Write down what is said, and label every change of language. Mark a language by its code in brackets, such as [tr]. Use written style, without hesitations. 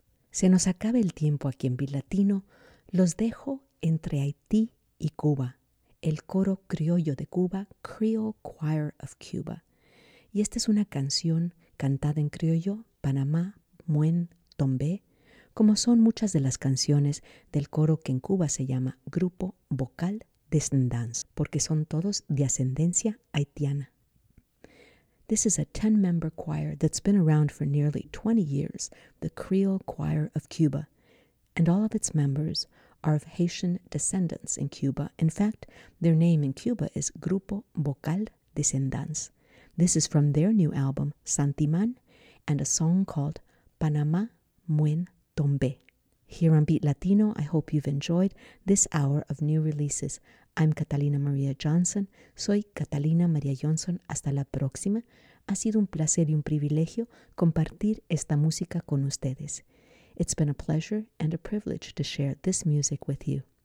[es] Se nos acaba el tiempo aquí en Bilatino. Los dejo entre Haití y Cuba, el coro criollo de Cuba, Creole Choir of Cuba. Y esta es una canción cantada en criollo, panamá, muén, tombé, como son muchas de las canciones del coro que en Cuba se llama Grupo Vocal Descendance, porque son todos de ascendencia haitiana. [en] This is a 10-member choir that's been around for nearly 20 years, the Creole Choir of Cuba. And all of its members are of Haitian descendants in Cuba. In fact, their name in Cuba is Grupo Vocal Descendants. This is from their new album, Santiman, and a song called Panamá Muen Tombé. Here on Beat Latino, I hope you've enjoyed this hour of new releases. I'm [es] Catalina Maria Johnson. Soy Catalina Maria Johnson. Hasta la próxima. Ha sido un placer y un privilegio compartir esta música con ustedes. [en] It's been a pleasure and a privilege to share this music with you.